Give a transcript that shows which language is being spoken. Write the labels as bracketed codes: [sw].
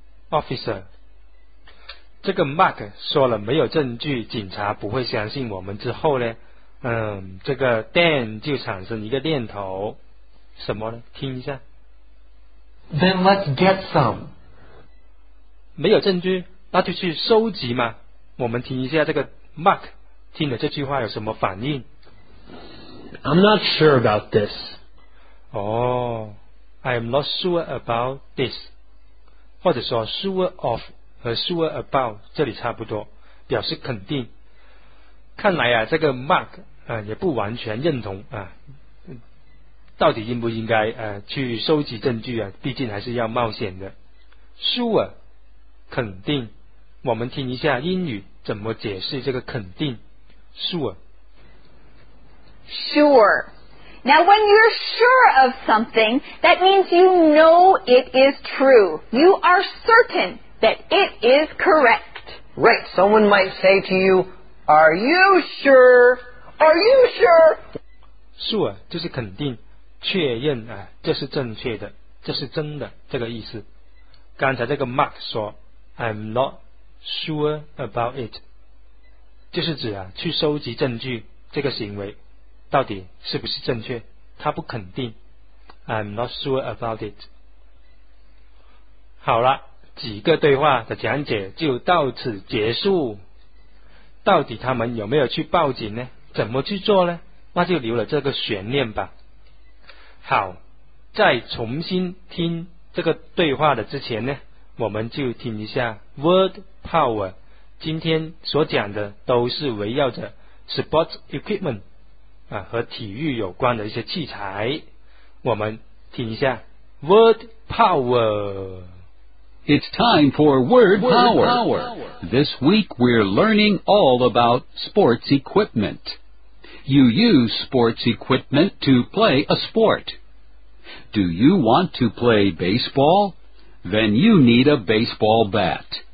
[zh] officer， 这个 Mark 说了没有证据，警察不会相信我们。之后呢，嗯，这个 Dan 就产生一个念头，什么呢？听一下。 [en] Then let's get some。 [zh] 没有证据，那就去收集嘛。我们听一下这个 Mark 听了这句话有什么反应。 [en] I'm not sure about this. Oh, I'm not sure about this. [zh] 或者说 sure of 和 sure about 这里差不多，表示肯定。看来啊，这个 Mark 啊也不完全认同啊，到底应不应该去收集证据啊？毕竟还是要冒险的。Sure， 肯定。我们听一下英语怎么解释这个肯定 ，sure。 [en] Sure. Now, when you're sure of something, that means you know it is true. You are certain that it is correct. Right. Someone might say to you, "Are you sure? Are you sure?" [zh] Sure 就是肯定，确认啊，这是正确的，这是真的，这个意思。刚才这个 Mark 说 ， [en] I'm not sure about it， [zh] 就是指啊，去收集证据这个行为。到底是不是正确，他不肯定。 [en] I'm not sure about it。 [zh] 好了，几个对话的讲解就到此结束。到底他们有没有去报警呢？怎么去做呢？那就留了这个悬念吧。好，在重新听这个对话的之前呢，我们就听一下 Word Power 今天所讲的，都是围绕着 Sports Equipment和体育有关的一些器材。我们听一下 Word Power。 [en] It's time for Word Power. This week we're learning all about sports equipment. You use sports equipment to play a sport. Do you want to play baseball? Then you need a baseball bat.